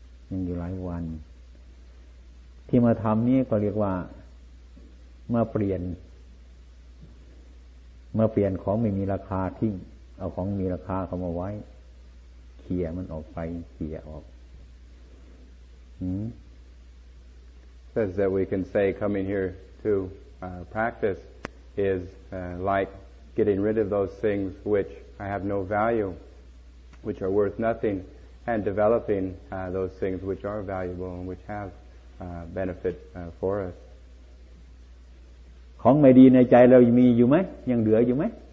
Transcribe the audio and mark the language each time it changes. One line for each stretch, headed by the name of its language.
Thai: ยังอยู่หลายวันที่มาทำนี้ก็เรียกว่ามาเปลี่ยนของไม่มีราคาทิ้งเอาของมีราคาเขามาไว้เคลียร์มันออกไปเคลียร์ออก
English: Says that we can say coming here to practice is like getting rid of those things which I have no value, which are worth nothing, and developing those things which are valuable and which have benefit for us.
Thai: ของไม่ดีในใจเรามีอยู่ไหมยังเหลืออยู่ไหม